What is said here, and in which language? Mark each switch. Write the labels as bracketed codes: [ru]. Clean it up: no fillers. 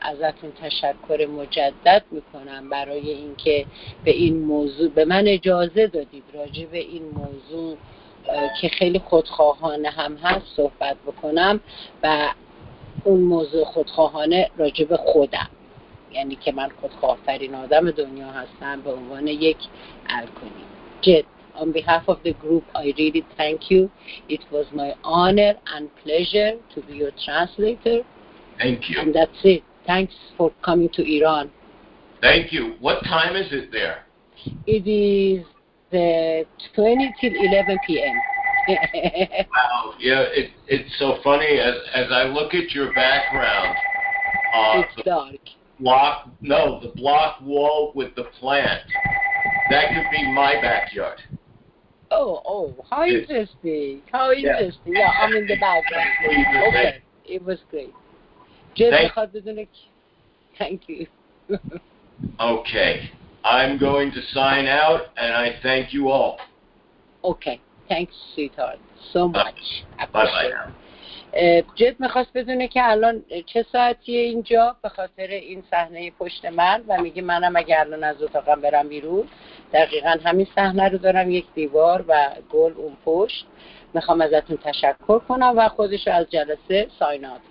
[fa] ازتون تشکر مجدد میکنم برای اینکه به این موضوع به من اجازه دادید راجع به این موضوع که خیلی خودخواهانه هم هست صحبت بکنم و اون موضوع خودخواهانه راجع به خودم، یعنی که من خودخواه‌ترین آدم دنیا هستم به عنوان یک الکلی. [en] جد، on behalf of the group, I really thank you. It was my honor and pleasure to be your translator. Thank you. And that's it. Thanks for coming to Iran. Thank you. What time is it there? It is the 20 till 11 p.m. Wow. Yeah, it's so funny. As I look at your background, it's dark. The block wall with the plant. That could be my backyard. Oh, how interesting. How interesting. Yeah, I'm in the background. Okay, it was great. Thank you. Okay, I'm going to sign out, and I thank you all. Okay, thanks, sweetheart, so much. Bye-bye. [fa] جد میخواست بدونه که الان چه ساعتیه اینجا به خاطر این صحنه پشت من و میگه منم اگه الان از اتاقم برم بیرون دقیقا همین صحنه رو دارم، یک دیوار و گل اون پشت. میخوام ازتون تشکر کنم و خودش رو از جلسه ساین آت کرد.